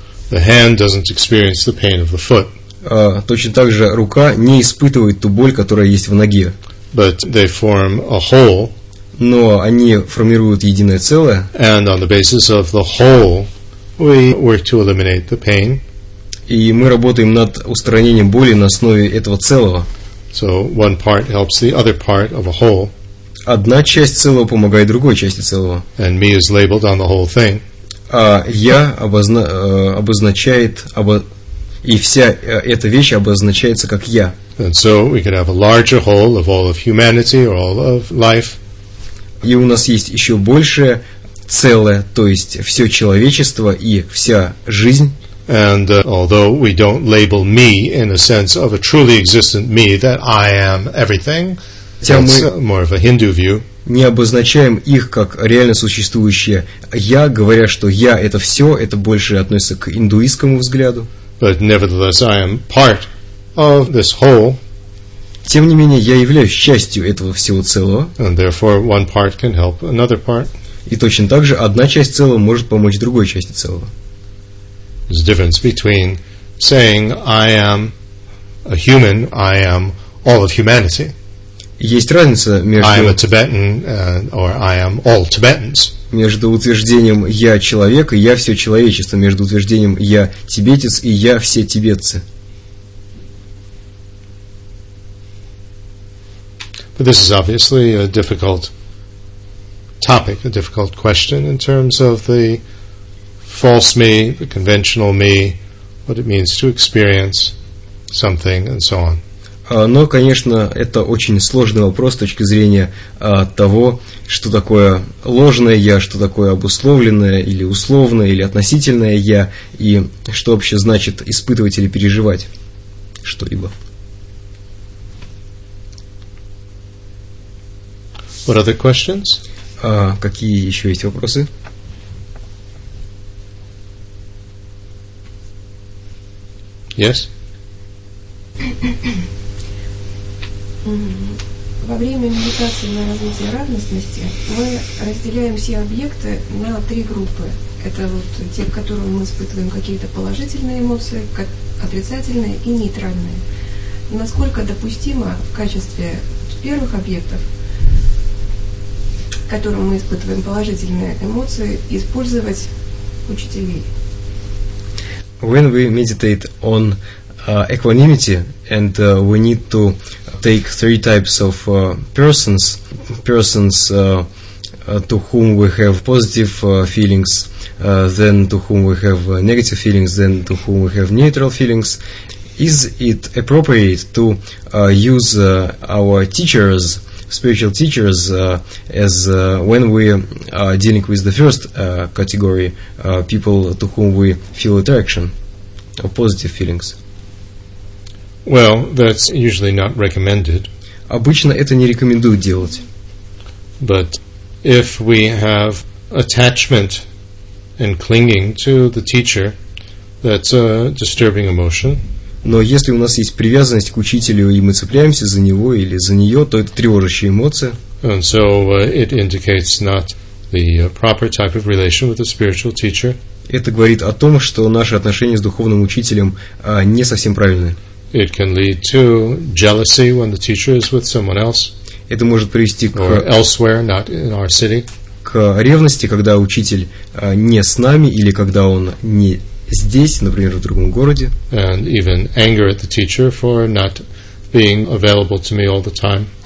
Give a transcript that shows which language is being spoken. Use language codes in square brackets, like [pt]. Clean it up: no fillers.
[en] The hand doesn't experience the pain of the foot. [ru] Точно так же рука не испытывает ту боль, которая есть в ноге. [en] But they form a whole. [ru] Но они формируют единое целое. [en] And on the basis of the whole, we work to eliminate the pain. [ru] И мы работаем над устранением боли на основе этого целого. [en] So one part helps the other part of a whole. [ru] Одна часть целого помогает другой части целого. [en] And me is labeled on the whole thing. [ru] А я обозначает и вся эта вещь обозначается как я. [en] And so we could have a larger whole of all of humanity or all of life. [ru] И у нас есть еще большее целое, то есть все человечество и вся жизнь. [en] And although we don't label me in a sense of a truly existent me, that I am everything, that's more of a Hindu view. [ru] Не обозначаем их как реально существующее я, говоря, что я это все, это больше относится к индуистскому взгляду. [en] But nevertheless, I am part of this whole. [ru] Тем не менее, я являюсь частью этого всего целого. [en] And therefore, one part can help another part. [ru] И точно так же одна часть целого может помочь другой части целого. [en] There's a difference between saying I am a human, I am all of humanity. [ru] Есть разница между [en] I am a Tibetan or I am all Tibetans. [ru] Между утверждением я человек и я все человечество, между утверждением я тибетец и я все тибетцы. [en] But this is obviously a difficult topic, a difficult question in terms of the false me, the conventional me, what it means to experience something, and so on. [ru] Но, конечно, это очень сложный вопрос с точки зрения того, что такое ложное я, что такое обусловленное или условное или относительное я, и что вообще значит испытывать или переживать что-либо. [en] What other questions? [ru] Какие еще есть вопросы? [en] Yes. [ru] Во время медитации на развитие равностности мы разделяем все объекты на три группы. Это вот те, к которым мы испытываем какие-то положительные эмоции, отрицательные и нейтральные. Насколько допустимо в качестве первых объектов, к которым мы испытываем положительные эмоции, использовать учителей? [en] When we meditate on equanimity and we need to take three types of persons to whom we have positive feelings, then to whom we have negative feelings, then to whom we have neutral feelings, is it appropriate to use our teachers, spiritual teachers, as when we are dealing with the first category, people to whom we feel attraction or positive feelings? Well, that's usually not recommended. [ru] Обычно это не рекомендуют делать. [en] But if we have attachment and clinging to the teacher, that's a disturbing emotion. [ru] Но если у нас есть привязанность к учителю, и мы цепляемся за него или за нее, то это тревожащая эмоция. [en] And so it indicates not the proper type of relation with a spiritual teacher. [ru] Это говорит о том, что наши отношения с духовным учителем не совсем правильны. [en] It can lead to jealousy when the teacher is with someone else. [ru] Это может привести к [en] elsewhere, not in our city. [ru] К ревности, когда учитель не с нами или когда он не здесь, например, в другом городе. [en] And even anger at the teacher for not being available to me all the time.